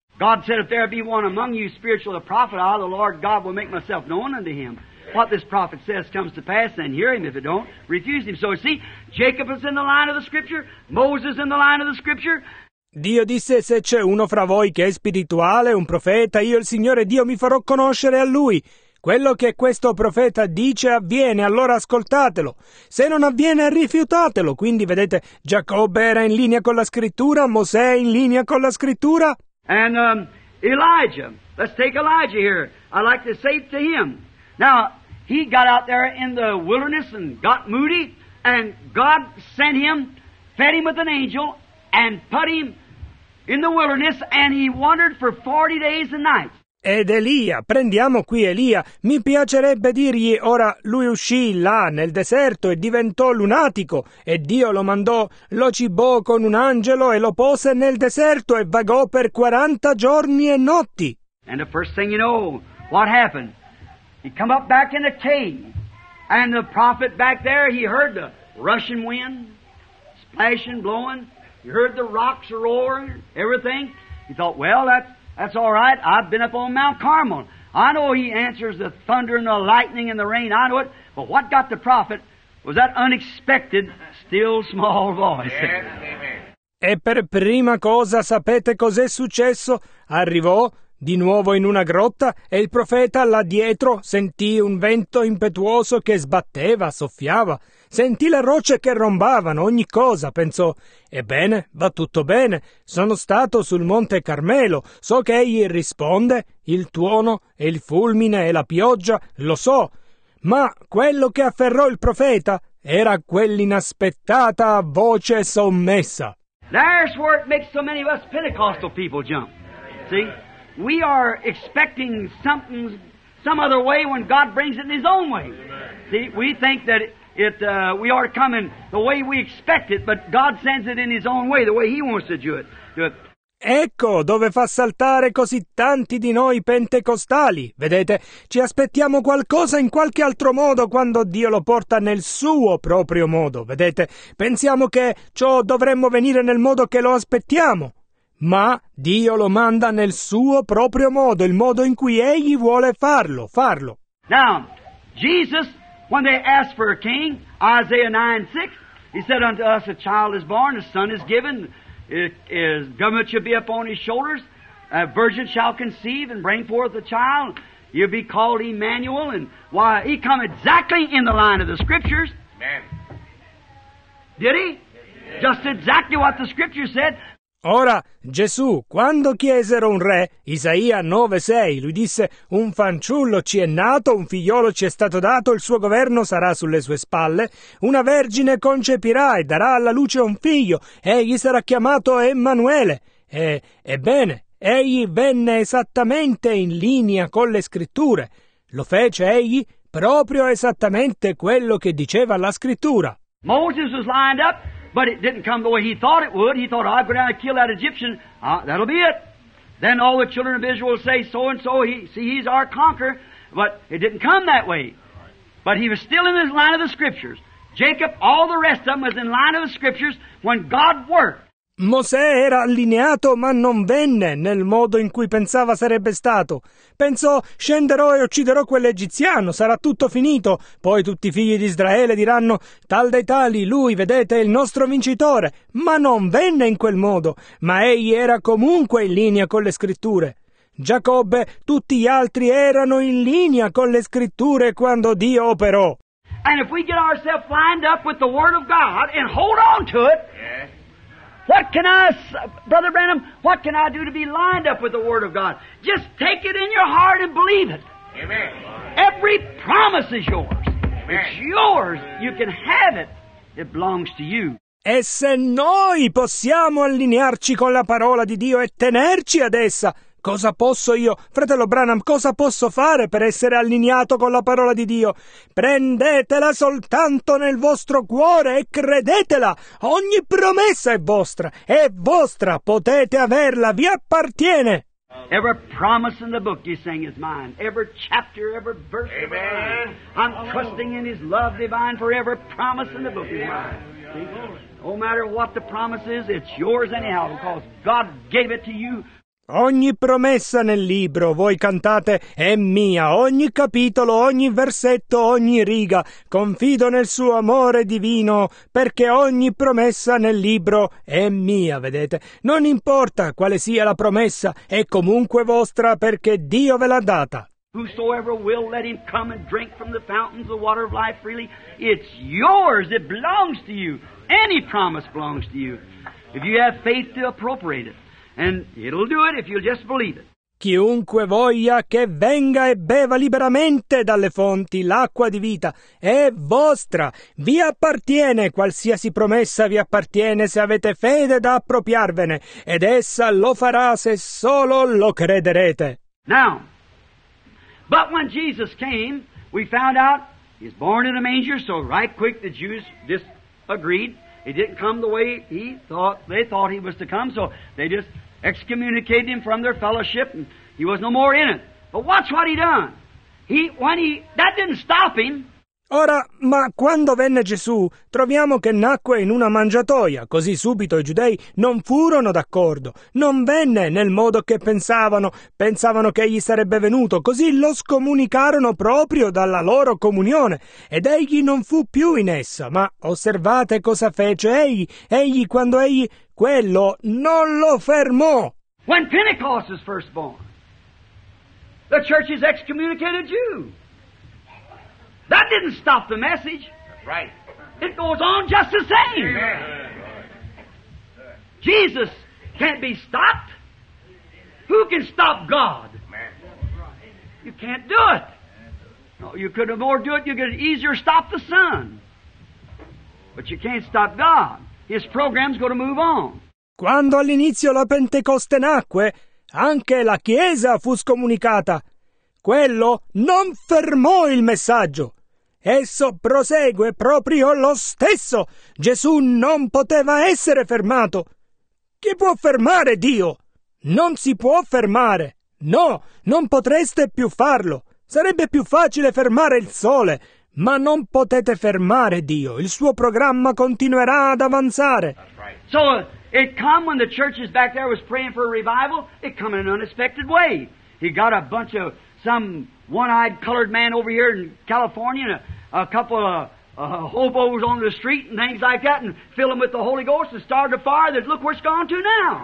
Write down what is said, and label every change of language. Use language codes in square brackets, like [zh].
[en] God said, if there be one among you spiritual, a prophet, I, the Lord God, will make myself known unto him. What this prophet says comes to pass, then hear him. If it don't, refuse him. So see, Jacob is in the line of the Scripture, Moses in the line of the Scripture. [it] Dio disse, se c'è uno fra voi che è spirituale, un profeta, io il Signore Dio mi farò conoscere a lui. Quello che questo profeta dice avviene, allora ascoltatelo. Se non avviene, rifiutatelo. Quindi, vedete, Giacobbe era in linea con la scrittura, Mosè in linea con la scrittura. [en] And Elijah, let's take Elijah here. I like to say to him. Now, he got out there in the wilderness and got moody, and God sent him, fed him with an angel, and put him in the wilderness, and he wandered for 40 days and nights. [it] Ed Elia, prendiamo qui Elia, mi piacerebbe dirgli, ora lui uscì là nel deserto e diventò lunatico, e Dio lo mandò, lo cibò con un angelo e lo pose nel deserto e vagò per 40 giorni e notti. [en] And the first thing you know, what happened? He come up back in the cave, and the prophet back there, he heard the rushing wind, splashing, blowing. He heard the rocks roar, everything. He thought, well, that's all right. I've been up on Mount Carmel. I know he answers the thunder and the lightning and the rain. I know it. But what got the prophet was that unexpected, still small voice. Yes, amen. [it] E per prima cosa sapete cos'è successo? Arrivò di nuovo in una grotta e il profeta là dietro sentì un vento impetuoso che sbatteva, soffiava. Sentì le rocce che rombavano, ogni cosa, pensò. Ebbene, va tutto bene. Sono stato sul Monte Carmelo. So che egli risponde, il tuono e il fulmine e la pioggia, lo so. Ma quello che afferrò il profeta era quell'inaspettata voce sommessa. [en] That's where it makes so many of us Pentecostal people jump. See? We are expecting something some other way when God brings it in His own way. See? We think that we are coming the way we expect it, but God sends it in His own way, the way He wants to do it. [it] Ecco dove fa saltare così tanti di noi pentecostali. Vedete, ci aspettiamo qualcosa in qualche altro modo quando Dio lo porta nel suo proprio modo. Vedete, pensiamo che ciò dovremmo venire nel modo che lo aspettiamo. Ma Dio lo manda nel suo proprio modo, il modo in cui Egli vuole farlo. [en] Now, Jesus, when they asked for a king, Isaiah 9:6, he said unto us, a child is born, a son is given, his government shall be upon his shoulders, a virgin shall conceive and bring forth a child, you'll be called Emmanuel, and why, he come exactly in the line of the Scriptures. Amen. Did he? Yes. Just exactly what the Scripture said. [it] Ora, Gesù, quando chiesero un re, Isaia 9:6, lui disse, un fanciullo ci è nato, un figliolo ci è stato dato, il suo governo sarà sulle sue spalle, una vergine concepirà e darà alla luce un figlio, egli sarà chiamato Emmanuele. Ebbene, egli venne esattamente in linea con le scritture. Lo fece egli proprio esattamente quello che diceva la scrittura. [en] Moses was lined up. But it didn't come the way he thought it would. He thought, I'll go down and kill that Egyptian. That'll be it. Then all the children of Israel say, so and so, he's our conqueror. But it didn't come that way. But he was still in the line of the Scriptures. Jacob, all the rest of them was in line of the Scriptures when God worked. [it] Mosè era allineato, ma non venne nel modo in cui pensava sarebbe stato. Pensò, scenderò e ucciderò quell'egiziano, sarà tutto finito. Poi tutti i figli di Israele diranno, tal dei tali, lui, vedete, è il nostro vincitore. Ma non venne in quel modo, ma egli era comunque in linea con le scritture. Giacobbe, tutti gli altri erano in linea con le scritture quando Dio operò. [en] And if we get ourselves lined up with the word of God and hold on to it, what can I, Brother Branham, what can I do to be lined up with the Word of God? Just take it in your heart and believe it. Amen. Every promise is yours. Amen. It's yours. You can have it. It belongs to you. [it] E se noi possiamo allinearci con la parola di Dio e tenerci ad essa, cosa posso io, fratello Branham, cosa posso fare per essere allineato con la parola di Dio? Prendetela soltanto nel vostro cuore e credetela. Ogni promessa è vostra. È vostra. Potete averla. Vi appartiene. [en] Every promise in the book you sing is mine. Every chapter, every verse. Amen. Of mine. I'm trusting in His love divine for every promise in the book is mine. Amen. No matter what the promise is, it's yours anyhow because God gave it to you. [it] Ogni promessa nel libro, voi cantate, è mia. Ogni capitolo, ogni versetto, ogni riga. Confido nel suo amore divino, perché ogni promessa nel libro è mia, vedete? Non importa quale sia la promessa, è comunque vostra, perché Dio ve l'ha data. [en] Whosoever will let him come and drink from the fountains of water of life freely, it's yours, it belongs to you. Any promise belongs to you. If you have faith to appropriate it. And it'll do it if you'll just believe it. [it] Chiunque voglia che venga e beva liberamente dalle fonti l'acqua di vita è vostra. Vi appartiene, qualsiasi promessa vi appartiene se avete fede da appropriarvene, ed essa lo farà se solo lo crederete. [en] Now, but when Jesus came, we found out he's born in a manger, so right quick the Jews disagreed. He didn't come the way he thought. They thought he was to come, so they just excommunicated him from their fellowship, and he was no more in it. But watch what he done. That didn't stop him. [it] Ora, ma quando venne Gesù, troviamo che nacque in una mangiatoia. Così subito i giudei non furono d'accordo. Non venne nel modo che pensavano. Pensavano che egli sarebbe venuto. Così lo scomunicarono proprio dalla loro comunione. Ed egli non fu più in essa. Ma osservate cosa fece egli. Egli, quando egli, quello, non lo fermò. [en] When Pentecost is first born, the church is excommunicated Jew. That didn't stop the message. Right. It goes on just the same. Amen. Jesus can't be stopped. Who can stop God? Amen. You can't do it. No, you could have more do it, you could easier stop the sun. But you can't stop God. His program's going to move on. [it] Quando all'inizio la Pentecoste nacque, anche la Chiesa fu scomunicata. Quello non fermò il messaggio. Esso prosegue proprio lo stesso. Gesù non poteva essere fermato. Chi può fermare Dio? Non si può fermare! No, non potreste più farlo! Sarebbe più facile fermare il sole! Ma non potete fermare Dio! Il suo programma continuerà ad avanzare! [en] So, it come when the churches back there was praying for a revival, it come in an unexpected way. He got a bunch of some one-eyed colored man over here in California and a couple of hobos on the street and things like that and fill them with the Holy Ghost and started a fire that look where it's gone to now.